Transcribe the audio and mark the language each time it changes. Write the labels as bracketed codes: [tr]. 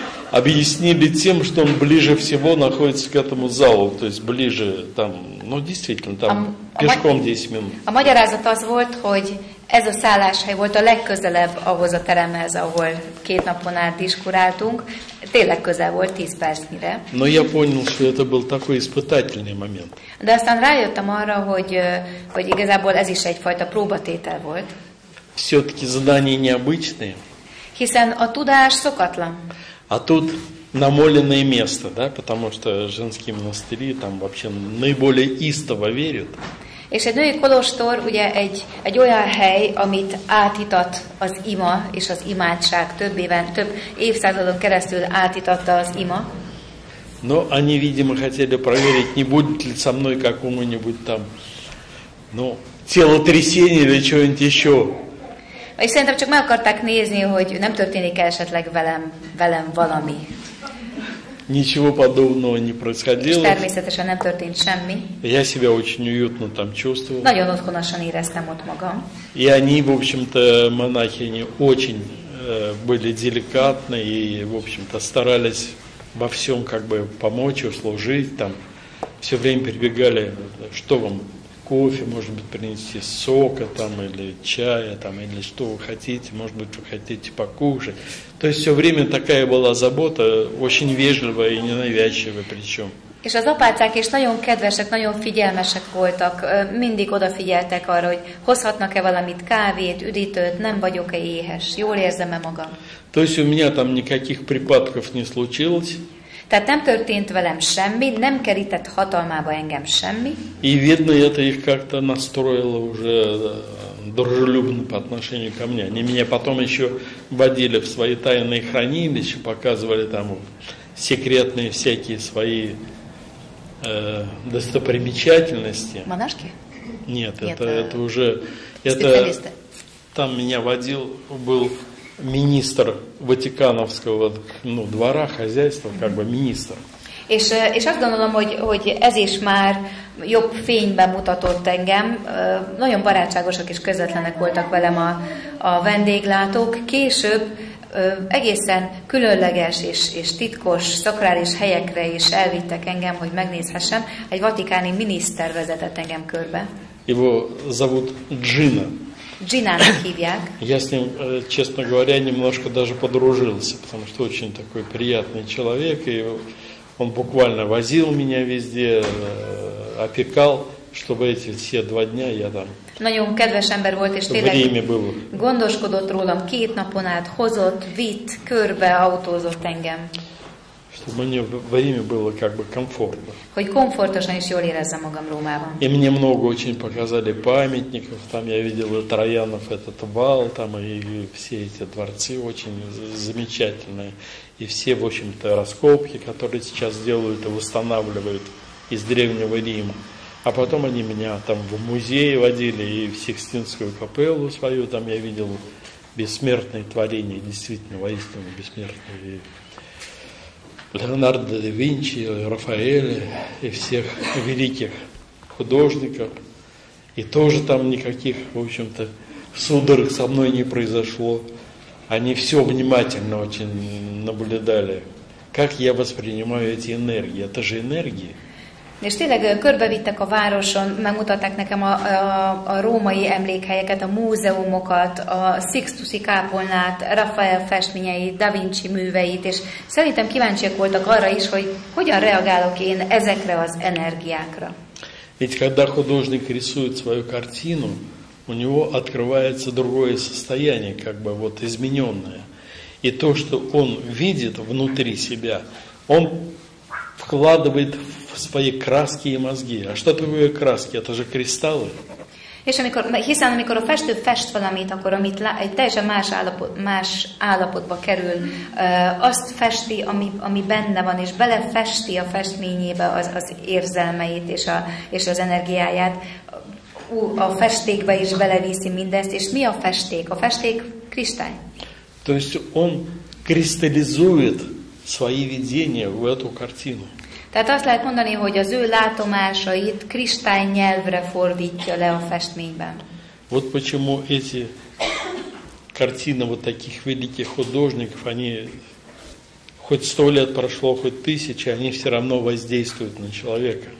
[ru] Объяснили тем, что он ближе всего находится к этому залу, то есть ближе там, ну действительно, там пешком 10 минут. [hu] A magyarázat az volt, hogy ez a szálláshely volt a legközelebb ahhoz a teremhez, ahol két napon át diskuráltunk. Tényleg közel volt 10 percnyire. [ru] Но я понял, что это был такой испытательный момент. [hu] De aztán rájöttem arra, hogy igazából ez is egyfajta próbatétel volt. [ru] Все-таки знания необычные. [hu] Hiszen a tudás szokatlan. [ru] А тут намоленное место, да, потому что женские монастыри там вообще наиболее истово верят. [hu] És egy női kolostor, ugye egy olyan hely, amit átitat az ima és az imádság több éven, több évszázadon keresztül átitatta az ima. [ru] Но они, видимо, хотели проверить, не будет ли со мной какому-нибудь там, ну, телотрясение или что-нибудь еще. [hu] És szerintem csak meg akarták nézni, hogy nem történik-e esetleg velem valami. [ru] Ничего подобного не происходило. [hu] És természetesen nem történt semmi. [ru] Я себя очень уютно там чувствовал. [hu] Nagyon otthonosan éreztem ott magam. [ru] И они, в общем-то, монахини очень были деликатны и, в общем-то, старались во всем как бы помочь, услужить там. Все время прибегали, что вам? Кофе, может быть, принести сока там или чая там или что вы хотите, может быть, вы хотите покушать. То есть все время такая была забота, очень вежливая и ненавязчивая причем. [hu] És az apácák is nagyon kedvesek, nagyon figyelmesek voltak, mindig odafigyeltek arra, hogy hozhatnak-e valamit, kávét, üdítőt, nem vagyok-e éhes, jól érzem-e magam. [ru] То есть у меня там никаких припадков не случилось. [hu] Tehát nem történt velem semmi, nem kerített hatalmába engem semmi. [ru] И видно, это их как-то настроило уже дружелюбно по отношению ко мне. Они меня потом еще водили в свои тайные хранилища, показывали там секретные всякие свои достопримечательности. Монашки? Нет, это уже... Это, специалисты. Там меня водил, был... министр Ватиканского, ну, двора, хозяйства, как бы министр. И я думаю, что это уже [hu] jobb fényben mutatott engem, nagyon barátságosak és közvetlenek voltak velem a vendéglátók. Később egészen különleges és titkos szakrális helyekre is elvittek engem, hogy megnézhessem. Egy vatikáni miniszter vezetett engem körbe. [ru] Его зовут Джина. Джинанок хивяк. Я с ним, честно говоря, немножко даже подружился, потому что очень такой приятный человек, и он буквально возил меня везде, опекал, чтобы эти все два дня я там. [hu] Nagyon kedves ember volt, és tényleg gondoskodott rólam, két napon át hozott, vitt, körbe autózott engem. [ru] Чтобы мне время было как бы комфортно. Хоть комфортно, что я за могом Румава. И мне много очень показали памятников. Там я видел и Троянов, этот вал, там и все эти дворцы очень замечательные. И все, в общем-то, раскопки, которые сейчас делают и восстанавливают из Древнего Рима. А потом они меня там в музей водили, и в Сикстинскую капеллу свою там я видел бессмертные творения, действительно, воистину бессмертные. Леонардо да Винчи, Рафаэля и всех великих художников. И тоже там никаких, в общем-то, судорог со мной не произошло. Они все внимательно очень наблюдали. Как я воспринимаю эти энергии? Это же энергии. [hu] És tényleg körbevittek a városon, megmutatták nekem a római emlékhelyeket, a múzeumokat, a Sixtusi kápolnát, Rafael festményeit, Da Vinci műveit, és szerintem kíváncsiak voltak arra is, hogy hogyan reagálok én ezekre az energiákra. [ru] Ведь когда художник рисует свою картину, у него открывается другое состояние, как бы вот измененное. И то, что он видит внутри себя, он вкладывает в свои краски и мозги. А что такое краски? Это же кристаллы. [hu] És amikor, hiszen amikor a festő fest valamit, akkor amit egy teljesen más állapotba kerül, azt festi, ami benne van, és belefesti a festményébe az érzelmeit és az energiáját, a festékbe is beleviszi mindezt, és mi a festék? A festék kristály. [ru] То есть он кристаллизует свои видения в эту картину. [hu] Tehát azt lehet mondani, hogy az ő látomásait kristály nyelvre fordítja le a festményben. [ru] Вот почему эти картины вот таких великих художников, они хоть 100 лет прошло, хоть 1000, они все равно воздействуют на человека.